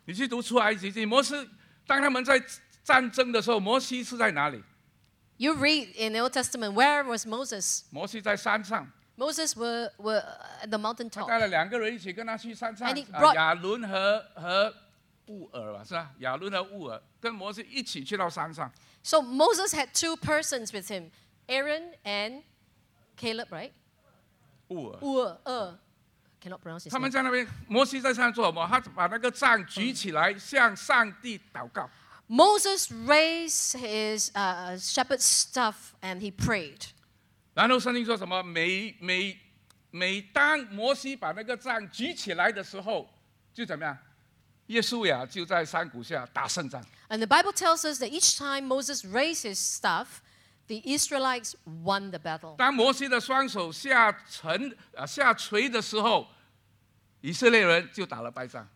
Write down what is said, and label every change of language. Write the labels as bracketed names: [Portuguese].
[Chinese] 你去读出埃及记，摩西当他们在战争的时候，摩西是在哪里？ [English] You read in the Old Testament, where was Moses? [Chinese] 摩西在山上。 [English] Moses were at the mountaintop. [Chinese] 他带了两个人一起跟他去山上。亚伦和乌尔吧，是吧？亚伦和乌尔跟摩西一起去到山上。 [English] So Moses had two persons with him, Aaron and Caleb, right? Cannot pronounce his name. [Chinese] 他们在那边，摩西在上面做什么？他把那个杖举起来，向上帝祷告。 [English] Moses raised his shepherd's staff and he prayed. [Chinese] 然后圣经说什么？每当摩西把那个杖举起来的时候，就怎么样？约书亚就在山谷下打胜仗。 [English] And the Bible tells us that each time Moses raised his staff, the Israelites won the battle. [Chinese] 当摩西的双手下垂的时候，以色列人就打了败仗。